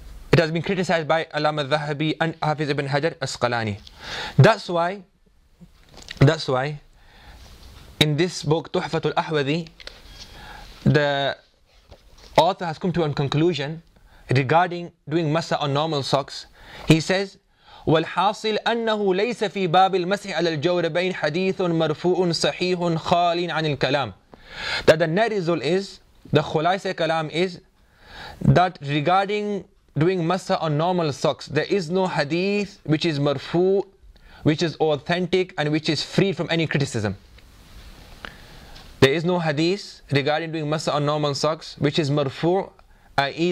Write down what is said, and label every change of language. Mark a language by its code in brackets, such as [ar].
[en] It has been criticized by Alama Zahabi and Hafiz ibn Hajar Asqalani. That's why, in this book, Tuhfatul Ahwadi, the author has come to a conclusion regarding doing masa on normal socks. [ar] He says, والحاصل أنه ليس في باب المسح على الجوربين حديث مرفوع صحيح خال عن الكلام. [en] That the net result is, the khulaisa kalam is, that regarding doing masa on normal socks, there is no hadith which is marfu, which is authentic and which is free from any criticism. There is no hadith regarding doing masa on normal socks, which is marfu, i.e.